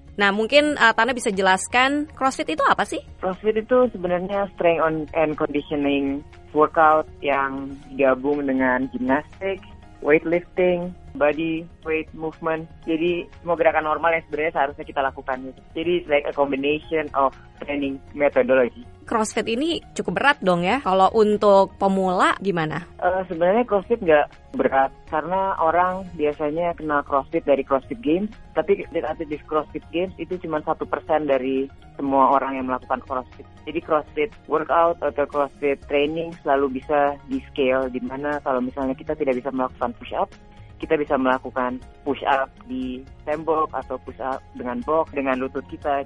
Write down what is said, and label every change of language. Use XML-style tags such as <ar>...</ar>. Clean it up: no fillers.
<id>Nah, mungkin Tana bisa jelaskan CrossFit itu apa sih? CrossFit itu sebenarnya</id> <en>strength and conditioning workout</en> <id>yang digabung dengan gimnastik, weightlifting,</id> <en>body weight movement.</en> <id>Jadi semua gerakan normal yang sebenarnya seharusnya kita lakukan. Jadi</id> <en>it's like a combination of training methodology.</en> <id>CrossFit ini cukup berat dong ya? Kalau untuk pemula gimana? Sebenarnya CrossFit nggak berat karena orang biasanya kenal CrossFit dari CrossFit Games. Tapi atlet di CrossFit Games itu cuma 1% dari semua orang yang melakukan CrossFit. Jadi CrossFit workout atau CrossFit training selalu bisa di scale di mana kalau misalnya kita tidak bisa melakukan push up, kita bisa melakukan push up di tembok atau push up dengan box dengan lutut kita.</id>